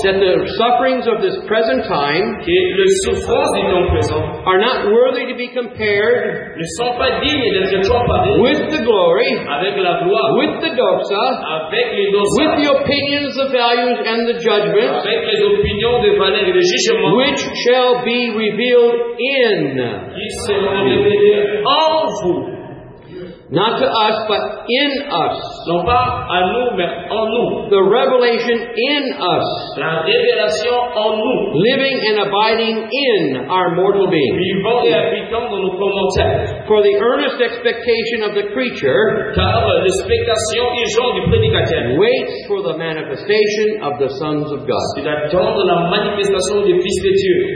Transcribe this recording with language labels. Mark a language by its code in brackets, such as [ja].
[en] that the sufferings of this present time, [fr] que les souffrances du temps présent, [en] are not worthy to be compared, [fr] ne sont pas dignes d'être comparés, [en] with the glory, [fr] avec la gloire, [en] with the doxa, [fr] avec les doxas, [en] with the opinions, the values, and the judgments, [fr] avec les opinions, les valeurs et les jugements, [en] which shall be revealed in, [fr] qui seront révélés en vous. [en] Not to us, but in us. [fr] Non pas à nous, mais en nous. [en] The revelation in us. [fr] La révélation en nous. [en] Living and abiding in our mortal being. [fr] Vivant et habitant dans notre mortel. [en] For the earnest expectation of the creature, [fr] car l'expectation urgente du prédicateur, [en] waits for the manifestation of the sons of God. [fr] Il attend la manifestation des fils de Dieu.